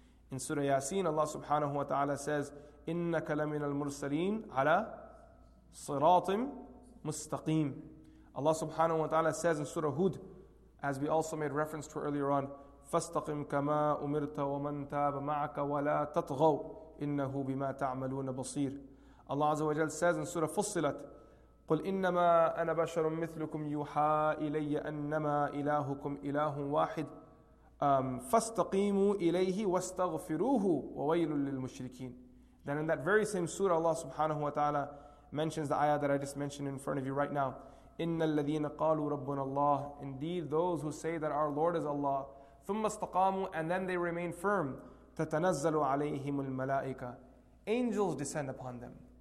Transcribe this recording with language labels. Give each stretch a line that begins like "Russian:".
English: In Surah Yasin, Allah subhanahu wa ta'ala says,
Arabic: إِنَّكَ لَمِنَ الْمُرْسَلِينَ عَلَى صِرَاطٍ مُسْتَقِيمٍ.
English: Allah subhanahu wa ta'ala says in Surah Hud, as we also made reference to earlier on,
Arabic: فَاسْتَقِمْ كَمَا أُمِرْتَ وَمَنْ تَابَ مَعَكَ وَلَا تَطْغَوْ إِنَّهُ بِمَا تَعْمَلُونَ بَصِيرٌ.
English: Allah Azza wa Jal says in Surah Fussilat,
Arabic: قُلْ إِنَّمَا أَنَا بَشَرٌ مِثْلُكُمْ يُحَا إِلَيَّ أَنَّمَا إِلَهُكُمْ إِلَهٌ وَاحِدٌ فاستقيموا إليه واستغفروه وويل للمشركين.
English: Then in that very same surah, Allah subhanahu wa ta'ala mentions the ayah that I just mentioned in front of you right now.
Arabic: إِنَّ الَّذِينَ قَالُوا رَبُّنَ اللَّهِ.
English: Indeed, those who say that our Lord is Allah.
Arabic: ثُمَّ اسْتَقَامُوا.
English: And then they remain firm.
Arabic: تَتَنَزَّلُ عَلَيْهِمُ الْمَلَائِكَةِ.
English: Angels descend upon them.